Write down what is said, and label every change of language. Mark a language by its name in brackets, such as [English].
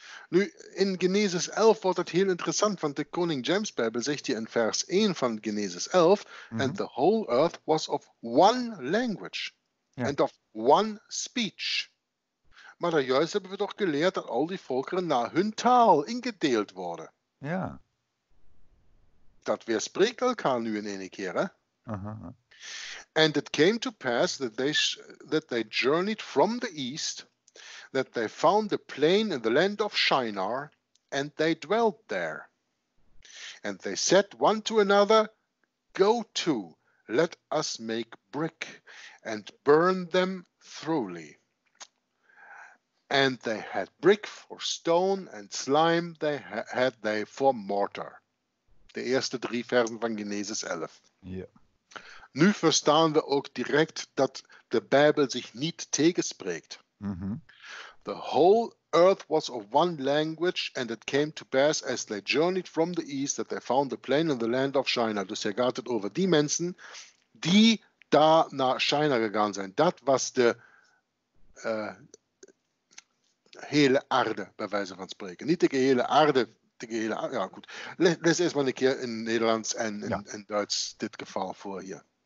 [Dutch] Nu, in Genesis 11 wordt dat heel interessant, want de Koning James Bijbel zegt hier in vers 1 van Genesis 11, And the whole earth was of one language and of one speech. Maar daar juist hebben we toch geleerd dat al die volkeren naar hun taal ingedeeld worden. Ja. Dat weerspreekt elkaar nu in een keer, hè? [English] And it came to pass that they journeyed from the east, that they found the plain in the land of Shinar, and they dwelt there. And they said one to another, go to, let us make brick, and burn them thoroughly. And they had brick for stone, and slime they had they for mortar. De eerste drie versen van Genesis 11. [Dutch] Ja. Nu verstaan we ook direct dat de Bijbel zich niet tegenspreekt. Mm-hmm. [English] The whole earth was of one language, and it came to pass as they journeyed from the east that they found the plain in the land of Shinar. [Dutch] Dus hij gaat het over die mensen die daar naar Shinar gegaan zijn. Dat was de hele aarde, bij wijze van spreken. Niet de gehele aarde. De gehele aarde. Ja, goed. Les eerst maar een keer in Nederlands en in, ja, in Duits dit geval voor hier.